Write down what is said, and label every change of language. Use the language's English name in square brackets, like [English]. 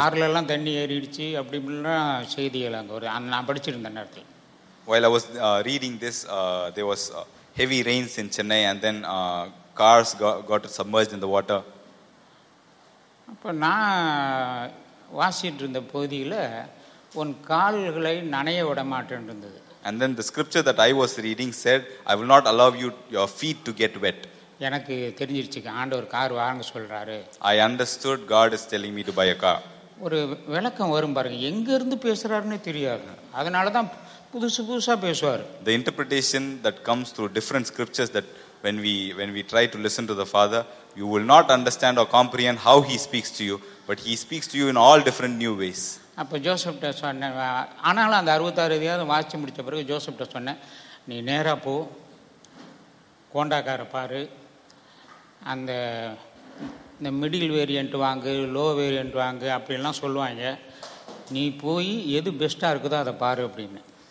[Tamil] கார்ல எல்லாம் தண்ணி ஏறிடுச்சு அப்படி இப்படின்னா செய்திகள் அங்கே ஒரு நான் படிச்சிருந்த நேரத்தில். [English] While I was reading this, there was heavy rains in Chennai and then cars got submerged in the water. [Tamil] அப்போ நான் வாசிட்டு இருந்த பகுதியில் உன் கால்களை நனைய விட மாட்டேன்னு இருந்தது. [English] And then the scripture that I was reading said, I will not allow you, your feet to get wet. [Tamil] எனக்கு தெரிஞ்சிருச்சு ஆண்டவர் கார் வாங்க சொல்றாரு. [English] I understood God is telling me to buy a car. [Tamil] ஒரு விளக்கம் வரும் பாருங்க, எங்க இருந்து பேசுறாருன்னு தெரியாது. அதனாலதான் புதுசு புதுசா பேசுவார். [English] The interpretation that comes through different scriptures that when we try to listen to the Father, you will not understand or comprehend how he speaks to you, but he speaks to you in all different new ways. [Tamil] அப்போ ஜோசப்ட்ட சொன்னேன், ஆனாலும் அந்த 66 வாசிச்சு முடித்த பிறகு ஜோசப்ட்ட சொன்னேன், நீ நேராக போ, கோண்டாக்காரை பாரு, அந்த இந்த மிடில் வேரியன்ட் வாங்கு, லோ வேரியன்ட் வாங்கு அப்படின்லாம் சொல்லுவாங்க, நீ போய் எது பெஸ்ட்டாக இருக்குதோ அதை பாரு அப்படின்னு.